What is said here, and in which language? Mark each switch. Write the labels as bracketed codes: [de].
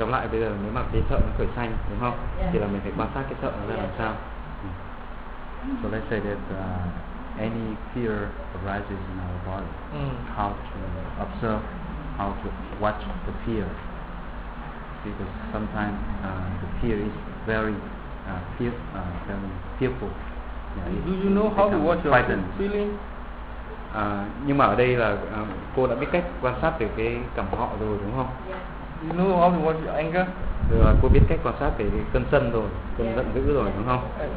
[vi] Bây giờ nếu mà cái sợ nó khởi sanh đúng không? Yeah. Thì là mình phải quan sát cái sợ nó ra làm sao. [en] So let's say that any fear arises in our body. How to observe, how to watch the fear. Because sometimes the fear is very fearful. Do you know how to watch your feeling? [vi] Nhưng mà ở đây là cô đã biết cách quan sát về cái cảm họ rồi đúng không? Yeah. [en] You know how to watch your anger? [vi] Rồi cô biết cách quan sát cái cơn sân rồi, cơn giận dữ rồi đúng không?